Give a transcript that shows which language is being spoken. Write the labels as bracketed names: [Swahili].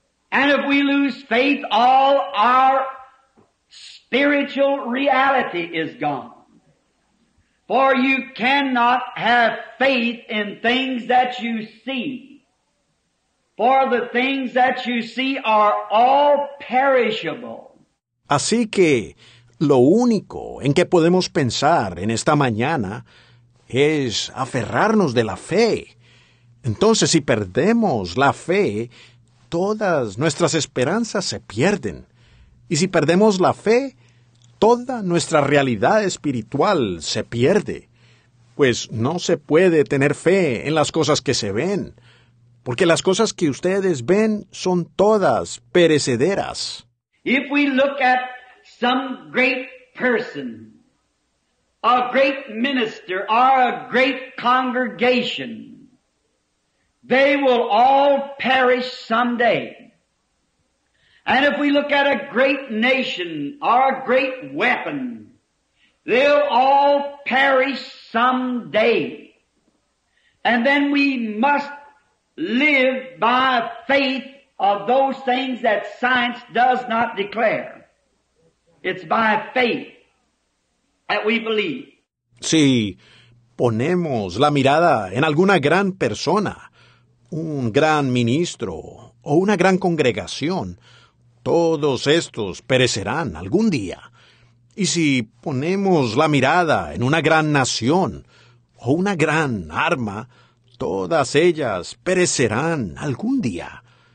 [English] And if we lose faith, all our spiritual reality is gone. For you cannot have faith in things that you see. For the things that you see are all perishable. [Spanish] Así que lo único en que podemos pensar en esta mañana es aferrarnos de la fe. Entonces, si perdemos la fe, todas nuestras esperanzas se pierden. Y si perdemos la fe, toda nuestra realidad espiritual se pierde. Pues no se puede tener fe en las cosas que se ven, porque las cosas que ustedes ven son todas perecederas. [English] If we look at some great person, a great minister, or a great congregation, they will all perish someday. And if we look at a great nation, or a great weapon, they'll all perish someday. And then we must live by faith of those things that science does not declare. It's by faith that we believe. [Spanish] Si ponemos la mirada en alguna gran persona, un gran ministro o una gran congregación, todos estos perecerán algún día. Y si ponemos la mirada en una gran nación o una gran arma, todas ellas perecerán algún día.